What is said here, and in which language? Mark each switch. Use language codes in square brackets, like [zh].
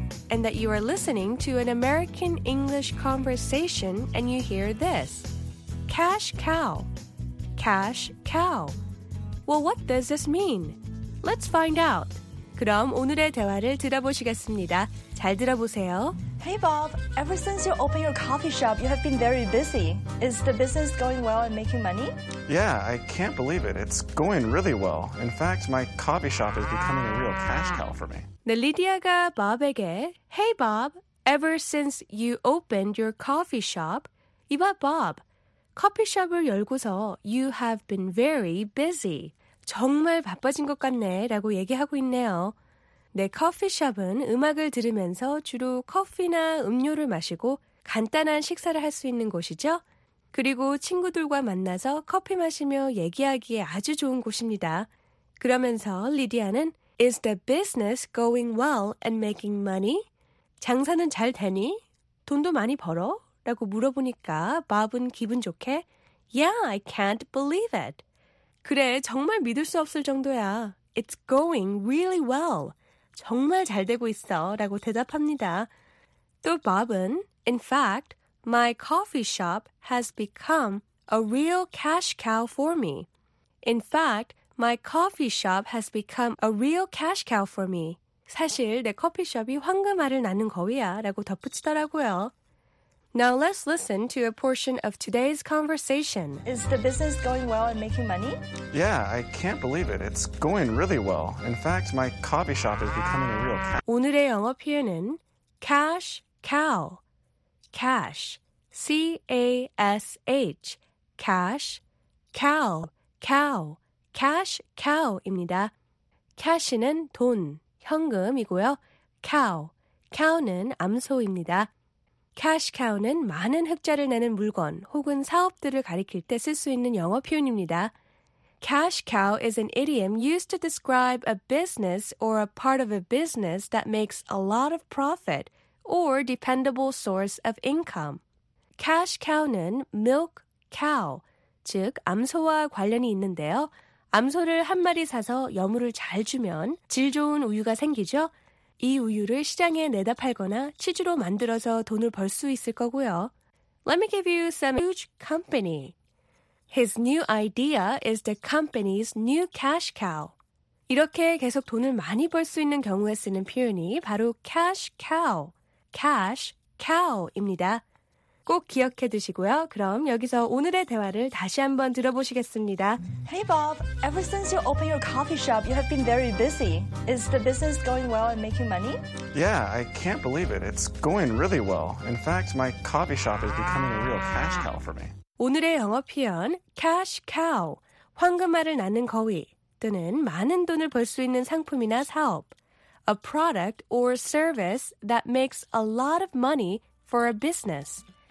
[en] and that you are listening to an American English conversation and you hear this. Cash cow. Cash cow. Well, what does this mean? Let's find out. [ko] 그럼 오늘의 대화를 들어보시겠습니다. 잘 들어보세요. [en] Hey, Bob. Ever since you opened your coffee shop, you have been very busy. Is the business going well and making money? Yeah, I can't believe it. It's going really well. In fact, my coffee shop is becoming a real cash cow for me. [ko] 네, 리디아가 Bob에게 [en] Hey, Bob. Ever since you opened your coffee shop, [ko] 이봐, [en] Bob. [ko] 커피숍을 열고서 [en] You have been very busy. [ko] 정말 바빠진 것 같네 라고 얘기하고 있네요. 내 커피숍은 음악을 들으면서 주로 커피나 음료를 마시고 간단한 식사를 할 수 있는 곳이죠. 그리고 친구들과 만나서 커피 마시며 얘기하기에 아주 좋은 곳입니다. 그러면서 리디아는 [en] Is the business going well and making money? [ko] 장사는 잘 되니? 돈도 많이 벌어? 라고 물어보니까 밥은 기분 좋게 [en] Yeah, I can't believe it. [ko] 그래, 정말 믿을 수 없을 정도야. [en] It's going really well. [ko] 정말 잘 되고 있어 라고 대답합니다. 또 밥은 [en] In fact, my coffee shop has become a real cash cow for me. In fact, my coffee shop has become a real cash cow for me. [ko] 사실 내 커피숍이 황금알을 낳는 거위야 라고 덧붙이더라고요. [en] Now let's listen to a portion of today's conversation. Is the business going well and making money? Yeah, I can't believe it. It's going really well. In fact, my coffee shop is becoming a real cow. [ko] 오늘의 영어 표현은 cash cow. [en] Cash. C-A-S-H. Cash cow. Cow. [ko] Cash cow입니다. Cash는 돈, 현금이고요. Cow. Cow는 암소입니다. Cash cow는 많은 흑자를 내는 물건 혹은 사업들을 가리킬 때 쓸 수 있는 영어 표현입니다. [en] Cash cow is an idiom used to describe a business or a part of a business that makes a lot of profit or dependable source of income. [ko] Cash cow는 milk cow, 즉 암소와 관련이 있는데요. 암소를 한 마리 사서 여물을 잘 주면 질 좋은 우유가 생기죠. 이 우유를 시장에 내다 팔거나 치즈로 만들어서 돈을 벌 수 있을 거고요. [en] Let me give you some huge company. His new idea is the company's new cash cow. [ko] 이렇게 계속 돈을 많이 벌 수 있는 경우에 쓰는 표현이 바로 cash cow. Cash cow입니다. 꼭 기억해 두시고요. 그럼 여기서 오늘의 대화를 다시 한번 들어보시겠습니다. [en] Hey, Bob. Ever since you opened your coffee shop, you have been very busy. Is the business going well and making money? Yeah, I can't believe it. It's going really well. In fact, my coffee shop is becoming a real cash cow for me. [ko] 오늘의 영어 표현, cash cow, 황금알을 낳는 거위, 또는 많은 돈을 벌 수 있는 상품이나 사업, [en] a product or service that makes a lot of money for a business.